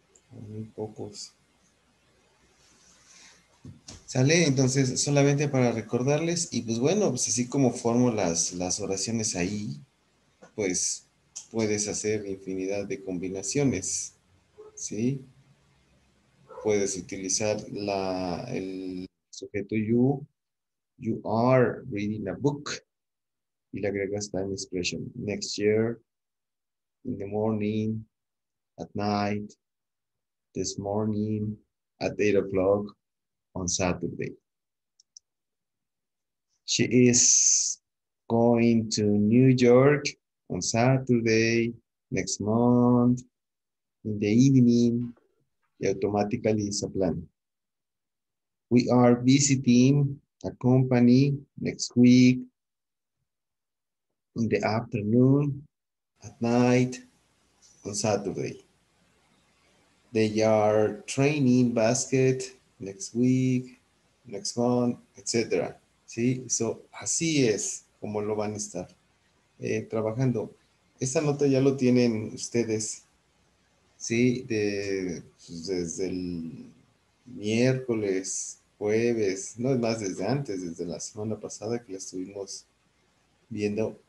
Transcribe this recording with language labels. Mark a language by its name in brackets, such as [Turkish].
[Spanish] Muy pocos. Sale, entonces, solamente para recordarles, y pues bueno, pues así como formo las oraciones ahí, pues puedes hacer infinidad de combinaciones, ¿sí? Puedes utilizar el sujeto [English] you are reading a book, [Spanish] y le agregas [English] time expression, next year, in the morning, at night, this morning, at 8 o'clock. On Saturday. She is going to New York on Saturday, next month, in the evening, automatically is a plan. We are visiting a company next week, in the afternoon, at night, on Saturday. They are training basket next week, next month, etc. [Spanish] ¿Sí? So, así es como lo van a estar trabajando. Esta nota ya lo tienen ustedes, ¿sí? Pues, desde el miércoles, jueves, no es más, desde antes, desde la semana pasada que la estuvimos viendo.